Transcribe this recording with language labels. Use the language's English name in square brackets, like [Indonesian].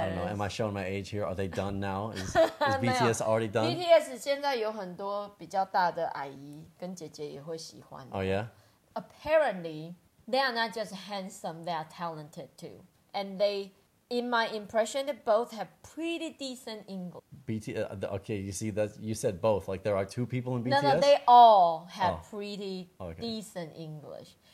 [English] I don't know. Am I showing my age here? Are they done now? Is BTS already done? [Chinese] BTS 现在有很多比较大的阿姨跟姐姐也会喜欢. [English] Oh yeah. Apparently, they are not just handsome; they are talented too. And they, in my impression, they both have pretty decent English. Okay, you see, that you said both. Like, there are two people in BTS? No, they all have decent English.